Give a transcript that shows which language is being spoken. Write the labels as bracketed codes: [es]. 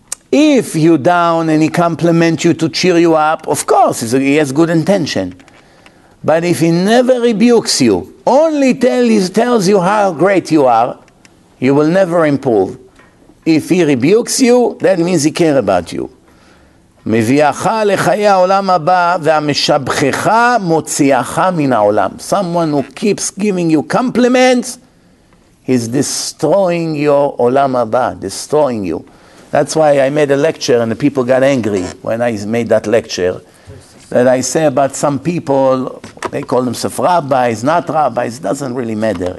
[en] If you're down and he compliments you to cheer you up, of course, he has good intention. But if he never rebukes you, only tells you how great you are, you will never improve. If he rebukes you, that means he cares about you. [he] מביאך לחיי העולם הבא והמשבחך מוציאך מן העולם. [en] Someone who keeps giving you compliments is destroying your עולם הבא, destroying you. That's why I made a lecture and the people got angry when I made that lecture. That I say about some people, they call themselves rabbis, not rabbis, it doesn't really matter.